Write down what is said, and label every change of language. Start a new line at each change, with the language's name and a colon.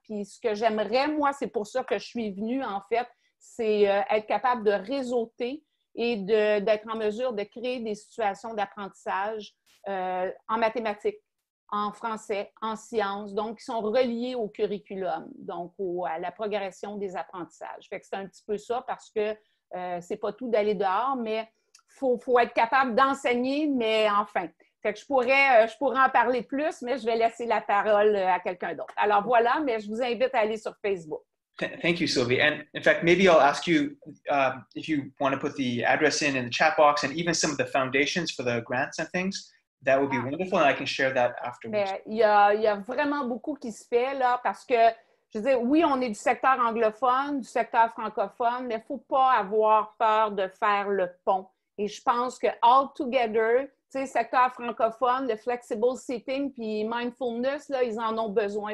French: Puis ce que j'aimerais, moi, c'est pour ça que je suis venue, en fait, c'est être capable de réseauter et d'être en mesure de créer des situations d'apprentissage en mathématiques, en français, en sciences, donc qui sont reliées au curriculum, donc à la progression des apprentissages. Fait que c'est un petit peu ça, parce que c'est pas tout d'aller dehors, mais faut être capable d'enseigner, mais enfin. Fait que je pourrais en parler plus, mais je vais laisser la parole à quelqu'un d'autre. Alors voilà, mais je vous invite à aller sur Facebook.
English: Thank you, Sylvie. And in fact, maybe I'll ask you if you want to put the address in the chat box and even some of the foundations for the grants and things. That would be wonderful, and I can share that afterwards.
French: Il y a vraiment beaucoup qui se fait là, parce que je veux dire, oui, on est du secteur anglophone, du secteur francophone, mais il ne faut pas avoir peur de faire le pont. Et je pense que
English: all together,
French: tu sais, secteur francophone, le flexible seating puis mindfulness, là, ils en ont besoin.